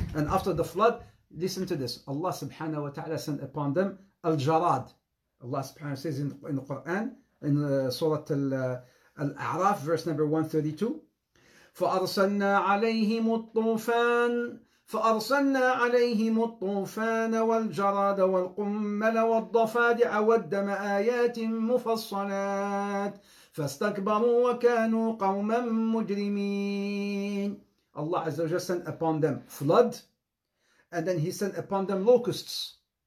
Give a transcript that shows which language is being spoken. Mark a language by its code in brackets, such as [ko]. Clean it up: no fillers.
[en] And after the flood, listen to this. Allah subhanahu wa ta'ala sent upon them al-jarad. Allah subhanahu wa ta'ala says in the Quran, in Surah Al-A'raf, verse number 132, [ar] فَأَرْسَلْنَا عَلَيْهِمُ الطُّوفَانَ فَأَرْسَلْنَا عَلَيْهِمُ الطُّوفَانَ وَالْجَرَادَ وَالْقُمَّلَ وَالضَّفَادِعَ وَالدَّمَ آيَاتٍ مُفَصَّلَاتٍ فَاسْتَكْبَرُوا وَكَانُوا قَوْمًا مُجْرِمِينَ. [en] Allah Azza wa Jalla sent upon them flood, and then he sent upon them locusts.